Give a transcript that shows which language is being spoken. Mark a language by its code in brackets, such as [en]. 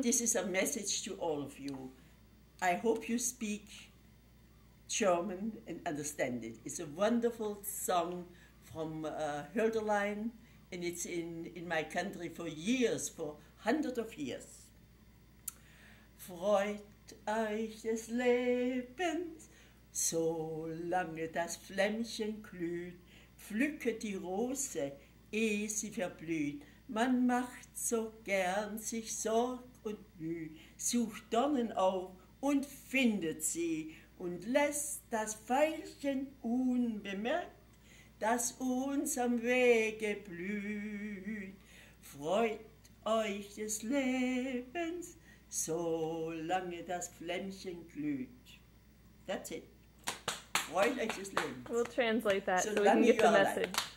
[en] This is a message to all of you. I hope you speak German and understand it. It's a wonderful song from Hölderlin, and it's in my country for years, for hundreds of years. [de] Freut euch des Lebens, solange das Flämmchen glüht, pflücke die Rose, ehe sie verblüht. Man macht so gern sich Sorg und Mühe, sucht Dornen auf und findet sie und lässt das Veilchen unbemerkt, das uns am Wege blüht. Freut euch des Lebens, solange das Flämmchen glüht. [en] That's it. [de] Freut euch des Lebens. [en] We'll translate that so we can get the message.